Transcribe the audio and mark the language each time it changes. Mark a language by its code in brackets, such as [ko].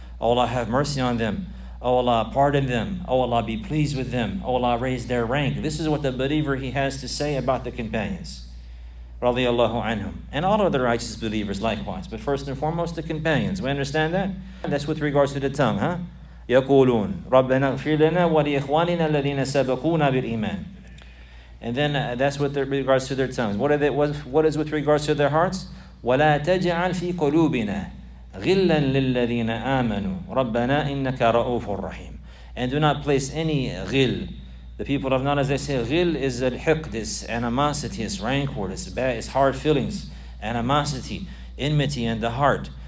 [en] Oh Allah, have mercy on them. Oh Allah, pardon them. Oh Allah, be pleased with them. Oh Allah, raise their rank. This is what the believer, he has to say about the companions, radiallahu anhum, and all of the righteous believers likewise. But first and foremost, the companions. We understand that? That's with regards to the tongue, huh? [ar] يقولون ربنا اغفر لنا ولإخواننا الذين سبقونا بالإيمان. [en] And then that's with regards to their tongues. What is with regards to their hearts? [ar] ولا تجعل في قلوبنا غِلًّا لِلَّذِينَ آمَنُوا رَبَّنَا إِنَّكَ رَؤُوفُ الرَّحِيمُ. [en] And do not place any ghil. The people of knowledge, they say ghil is al-hiqd, is animosity, is rancor, is hard feelings, animosity, enmity in the heart.